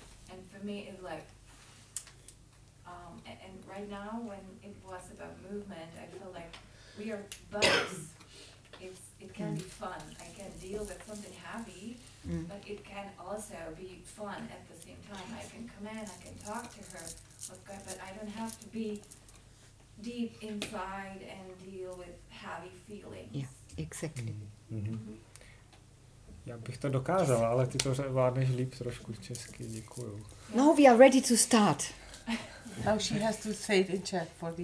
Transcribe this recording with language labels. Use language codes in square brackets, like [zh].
[en] And for me, it's like, and right now, when it was about movement, I feel like we are buddies. It can be fun. I can deal with something heavy, but it can also be fun at the same time. I can come in, I can talk to her, but I don't have to be deep inside and deal with heavy feelings. Yeah, exactly. [cs] Já bych to dokázala, ale ty to vládneš líp trošku česky. Děkuju. [en] Now we are ready to start. Now she has to say it in Czech for the